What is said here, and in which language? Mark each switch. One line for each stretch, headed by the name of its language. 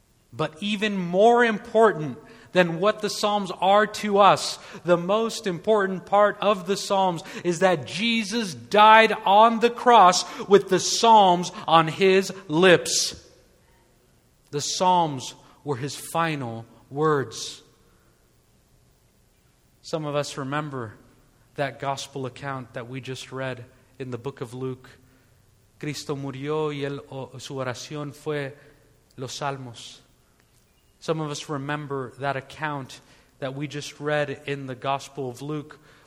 English: But even more important than what the Psalms are to us, the most important part of the Psalms is that Jesus died on the cross with the Psalms on his lips. The Psalms were his final words. Some of us remember that gospel account that we just read in the book of Luke.
Spanish: Cristo murió y su oración fue los Salmos.
English: Some of us remember that account that we just read in the Gospel of Luke.